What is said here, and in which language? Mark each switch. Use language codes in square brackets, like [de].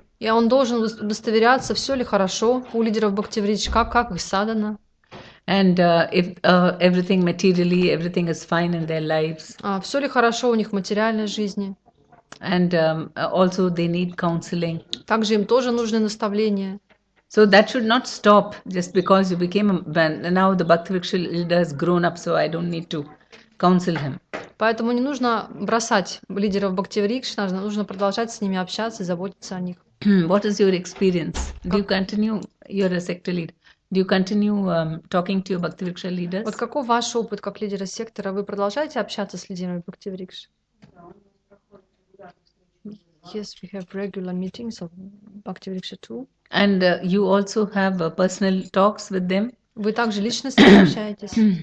[ru] И он должен удостоверяться, все ли хорошо у лидеров Bhakti Vriksha, как их садана. [en] And if everything materially, everything is fine in their lives. [ru] Все ли хорошо у них в материальной жизни? [en] And also they need counseling. [ru] Также им тоже нужны наставления. [en] So that should not stop just because you became a, now the Bhakti Vriksha leader has grown up, so I don't need to counsel him. [ru] Поэтому не нужно бросать лидеров Bhakti Vriksha, нужно продолжать с ними общаться и заботиться о них. [en] What is your experience? Do you continue? You're a sector leader. Do you continue talking to your Bhakti Vriksha leaders? [ru] Вот какой ваш опыт как лидера сектора? Вы продолжаете общаться с лидерами Bhakti Vriksha? [en] Yes, we have regular meetings of Bhakti Vriksha too. And you also have personal talks with them? [ru] Вы также лично с ними общаетесь?